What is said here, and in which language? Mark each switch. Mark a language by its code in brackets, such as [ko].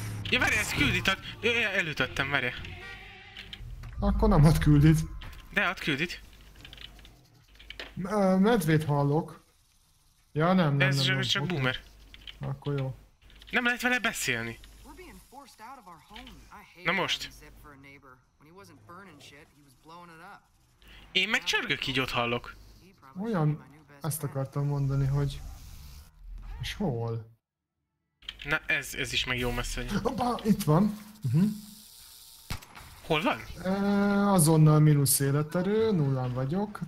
[hu] Ja, várj, ezt külditad! Elütöttem, várj. Akkor nem ad küldit. De ad küldit. Medvét hallok. Ja, nem. Ez csak Boomer. Akkor jó. Nem lehet vele beszélni. [en] forced out of our home. I hate it. Zip for a neighbor. When he wasn't burning shit, he was blowing it up. [hu] Én meg csörgök, így ott hallok. Olyan, ezt akartam mondani, hogy... És hol? Na, ez is meg jó messze. Hoppá, itt van. Uh-huh. Hol van? Azonnal mínusz életerő, nullán vagyok.